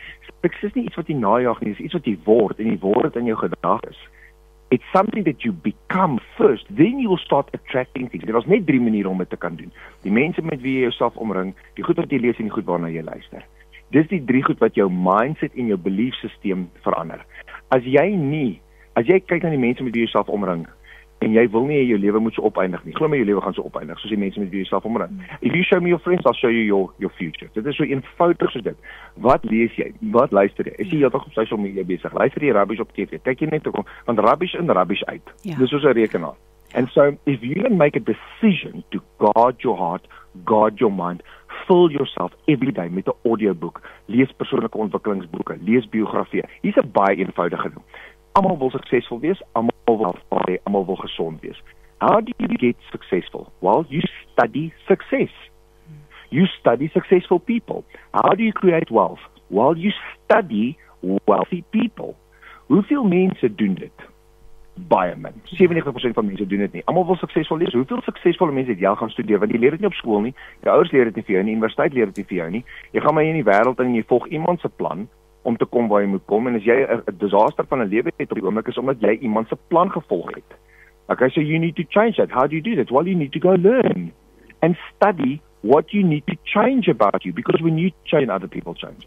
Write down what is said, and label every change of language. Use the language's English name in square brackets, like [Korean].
[Afrikaans] Sukses is nie iets wat jy najag nie, dit is iets wat jy word, en die word het in jou gedagtes. [English] It's something that you become first, then you will start attracting things. [Afrikaans] Dit was net drie maniere om dit te kan doen. Die mense met wie jy jouself omring, die goed wat jy lees en die goed waarna jy luister. Dis die drie goed wat jou mindset en jou belief system verander. As jy nie, as jy kyk na die mense met wie jy jouself omring, en jy wil nie jou lewe moet so opeindig nie, glo my jou lewe gaan so opeindig, soos die mense met wie jy jouself omring. [English] If you show me your friends, I'll show you your future. [Afrikaans] Dit is so eenvoudig soos dit. Wat lees jy? Wat luister jy? Is jy heeltig op social media besig? Luister jy rubbish op TV? Kyk jy net ook, want rubbish in, rubbish uit. Ja. Dis soos 'n rekenaar. [English] And so, if you can make a decision to guard your heart, guard your mind, fill yourself every day [Afrikaans] met 'n audiobook, lees persoonlike ontwikkelingsboeke, lees biografieë. Hier's 'n baie eenvoudige ding. Almal wil suksesvol wees, almal wil gesond wees. [English] How do you get successful? Well, you study success. You study successful people. How do you create wealth? Well, you study wealthy people. [Afrikaans] Hoeveel mense doen dit? Baie min. 70% van mense doen dit nie. Almal wil suksesvol wees. Hoeveel suksesvolle mense het jy al gaan studeer? Want jy leer dit nie op skool nie. Jou ouers leer dit nie vir jou nie. Universiteit leer dit nie vir jou nie. Jy gaan maar in die wêreld en jy volg iemand se plan om te kom waar jy moet kom. En as jy 'n disaster van 'n lewe het op die oomblik, is omdat jy iemand se plan gevolg het. [English] Okay, so you need to change that. How do you do that? Well, you need to go learn and study what you need to change about you, because when you change, other people change.